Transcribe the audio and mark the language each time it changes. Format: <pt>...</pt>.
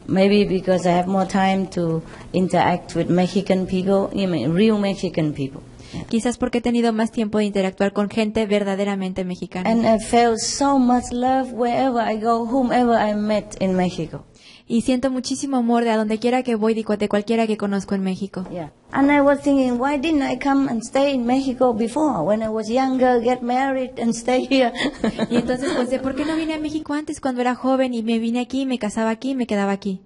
<en>Maybe because I have more time to interact with Mexican people, you mean, real Mexican people.</en> <es>Quizás porque he tenido más tiempo de interactuar con gente verdaderamente mexicana.</es> <en>And I feel so much love wherever I go, whomever I met in Mexico.</en> <es>Y siento muchísimo amor de a donde quiera que voy, de cualquiera que conozco en México.</es> <en>Yeah. And I was thinking, why didn't I come and stay in Mexico before, when I was younger, get married and stay here?</en> <es>Y entonces pensé, ¿por qué no vine a México antes cuando era joven y me vine aquí, me casaba aquí y me quedaba aquí?</es>